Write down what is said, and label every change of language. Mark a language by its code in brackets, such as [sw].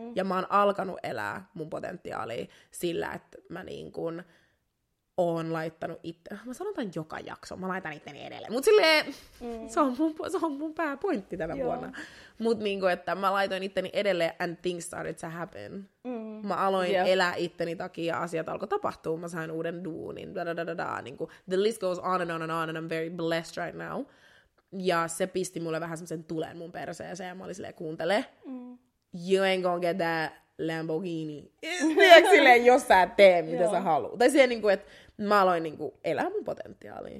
[fi] Ja mä oon alkanut elää mun potentiaalia sillä, että mä niin kuin oon laittanut itse. Mä sanon tämän joka jakso, mä laitan itteni edelleen. Mut silleen, se on mun pääpointti tänä vuonna. Mut niinku, että mä laitoin itteni edelleen [en] and things started to happen. [fi] Mä aloin elää itteni takia ja asiat alkoi tapahtua. Mä sain uuden duunin. Niinku, [en] the list goes on and on and on and I'm very blessed right now. [fi] Ja se pisti mulle vähän semmosen tulen mun perseeseen ja mä olin silleen, kuuntele. [en] You ain't gonna get that Lamborghini. [fi] Tiedätkö silleen, jos sä et tee, mitä sä haluut. Tai siihen, niin kuin, että mä aloin niin kuin, elää mun potentiaalia.